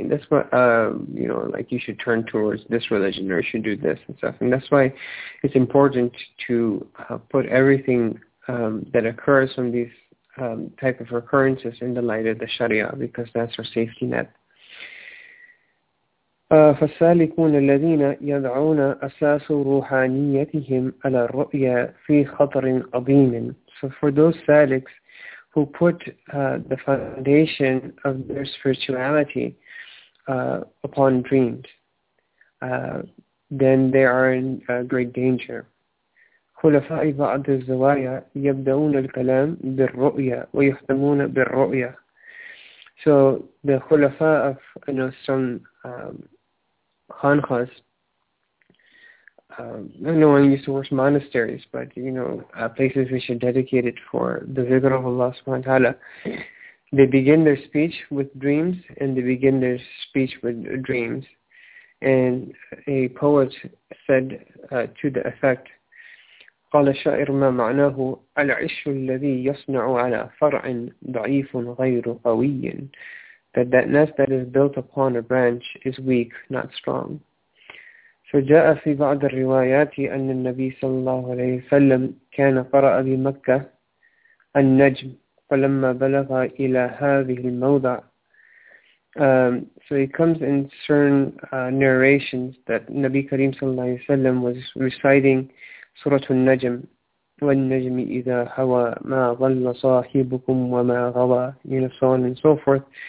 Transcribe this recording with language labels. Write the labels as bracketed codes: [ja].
[en] And that's what, you know, like you should turn towards this religion or you should do this and stuff. And that's why it's important to put everything that occurs from these type of occurrences in the light of the Sharia, because that's our safety net. [ar] فالسالكون الذين يضعون أساس روحانيتهم على الرؤية في خطر عظيم. [en] So for those salics who put the foundation of their spirituality upon dreams, then they are in great danger. [ar] خلفاء بعض الزوايا يبدأون الكلام بالرؤية ويختمون بالرؤية. [en] So the خلفاء of, you know, some Khanqas, I know I used to work monasteries, but, you know, places which are dedicated for the zikr of Allah subhanahu wa ta'ala, they begin their speech with dreams, and they begin their speech with dreams. And a poet said to the effect, [ar] قَالَ الشَّاعِرُ مَا مَعْنَاهُ الْعِشُّ الَّذِي يَصْنَعُ عَلَى فَرْعٍ ضَعِيفٌ غَيْرُ قَوِيٍّ, [en] that that nest that is built upon a branch is weak, not strong. [ar] So جاء في بعض الروايات أن النبي صلى الله عليه وسلم كان قرأ بمكة النجم فلما بلغ إلى هذه الموضع. [en] So it comes in certain narrations that Nabi Kareem [ar] صلى الله عليه وسلم [en] was reciting Surah Al-Najm. والنجم إذا هوى ما ظل صاحبكم وما غوى, you know, so on and so forth.